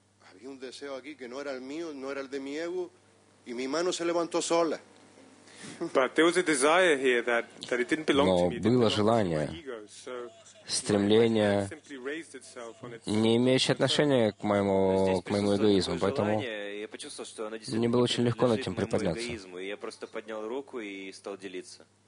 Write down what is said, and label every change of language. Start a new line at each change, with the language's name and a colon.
Spanish: Había un deseo aquí que no era el mío, no era el de mi ego, y mi mano se levantó sola.
English: But there was a desire here that it didn't belong to me.
Russian: Но было желание, стремление, не имеющее отношения к моему эгоизму, поэтому мне было очень легко над этим приподняться. Я просто поднял руку и стал делиться.